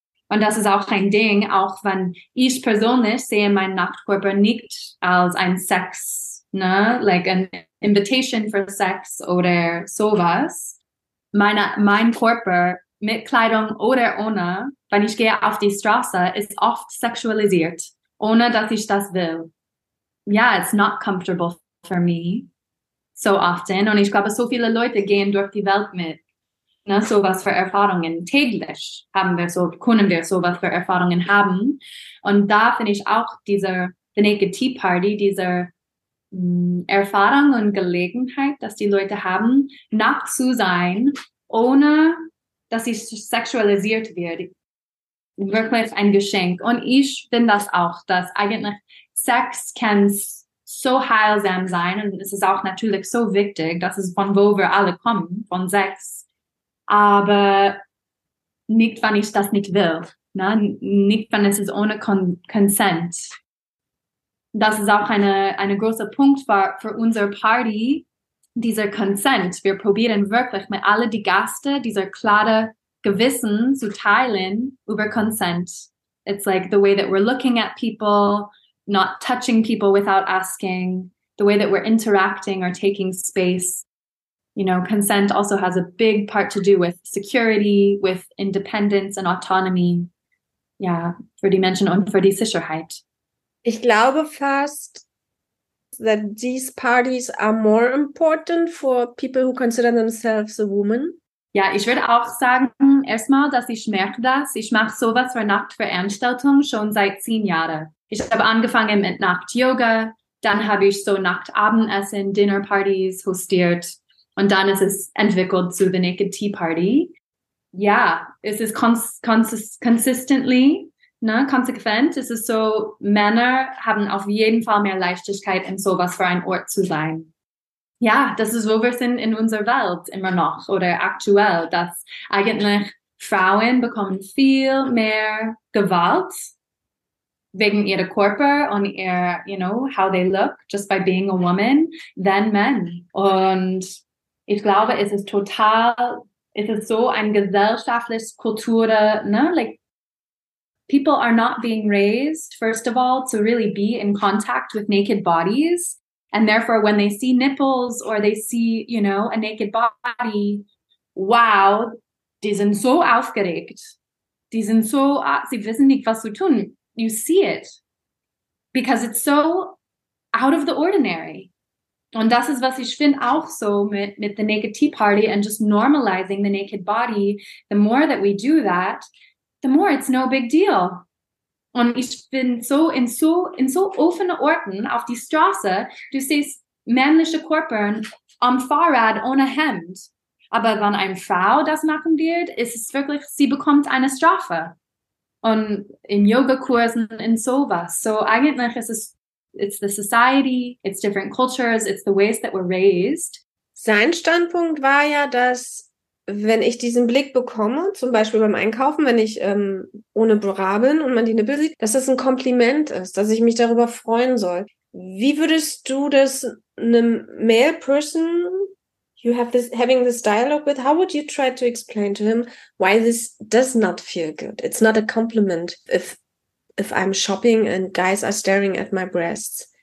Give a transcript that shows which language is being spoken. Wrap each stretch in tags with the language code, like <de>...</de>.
<de>Und das ist auch ein Ding, auch wenn ich persönlich sehe meinen Nacktkörper nicht als ein Sex, na,</de> <en>like an invitation for sex</en> <de>oder sowas. Mein Körper mit Kleidung oder ohne, wenn ich gehe auf die Straße, ist oft sexualisiert. Ohne dass ich das will.</de> <en>Ja, it's not comfortable for me so often.</en> <de>Und ich glaube, so viele Leute gehen durch die Welt mit, ne, sowas für Erfahrungen. Täglich haben wir so, können wir sowas für Erfahrungen haben. Und da finde ich auch the Naked Tea Party, diese Erfahrung und Gelegenheit, dass die Leute haben, nackt zu sein, ohne dass ich sexualisiert werde. Wirklich ein Geschenk. Und ich bin das auch, dass eigentlich Sex kann so heilsam sein. Und es ist auch natürlich so wichtig, dass es von wo wir alle kommen, von Sex. Aber nicht, wenn ich das nicht will. Ne? Nicht, wenn es ist ohne Consent. Das ist auch eine große Punkt für unsere Party, dieser Consent. Wir probieren wirklich mit allen die Gäste, dieser klare Gewissen zu teilen über Consent.</de> <en>It's like the way that we're looking at people, not touching people without asking, the way that we're interacting or taking space. You know, consent also has a big part to do with security, with independence and autonomy.</en> <de>Ja, für die Menschen und für die Sicherheit. Ich glaube fast,</de> <en>that these parties are more important for people who consider themselves a woman.</en> <de>Ja, ich würde auch sagen, erstmal, dass ich merke das. Ich mache sowas für Nacktveranstaltungen schon seit 10 Jahren. Ich habe angefangen mit Nackt-Yoga, dann habe ich so Nacktabendessen, Dinnerpartys hostiert und dann ist es entwickelt zu The Naked Tea Party. Ja, es ist consistently, ne, konsequent. Es ist so, Männer haben auf jeden Fall mehr Leichtigkeit, in sowas für einen Ort zu sein. Ja, das ist, wo wir sind in unserer Welt immer noch oder aktuell, dass eigentlich Frauen bekommen viel mehr Gewalt wegen ihrer Körper und ihr,</de> <en>you know, how they look just by being a woman than men.</en> <de>Und ich glaube, es ist so eine gesellschaftliche Kultur, ne?</de> <en>Like, people are not being raised, first of all, to really be in contact with naked bodies. And therefore, when they see nipples or they see, you know, a naked body, wow,</en> <de>die sind so aufgeregt. Die sind so, sie wissen nicht, was zu tun.</de> <en>You see it. Because it's so out of the ordinary.</en> <de>Und das ist, was ich finde, auch so mit the Naked Tea Party</de> <en>and just normalizing the naked body. The more that we do that, the more it's no big deal.</en> <de>Und ich bin so in so offenen Orten auf die Straße, du siehst männliche Körper am Fahrrad ohne Hemd. Aber wenn eine Frau das machen wird, ist es wirklich, sie bekommt eine Strafe. Und in Yogakursen und sowas. So eigentlich ist es,</de> <en>it's the society, it's different cultures, it's the ways that we're raised.</en> <de>Sein Standpunkt war ja, dass wenn ich diesen Blick bekomme, zum Beispiel beim Einkaufen, wenn ich ohne Bra bin und man die Nippel sieht, dass das ein Kompliment ist, dass ich mich darüber freuen soll. Wie würdest du das einem</de> <en>male person, you have this, having this dialogue with, how would you try to explain to him why this does not feel good? It's not a compliment if I'm shopping and guys are staring at my breasts.</en>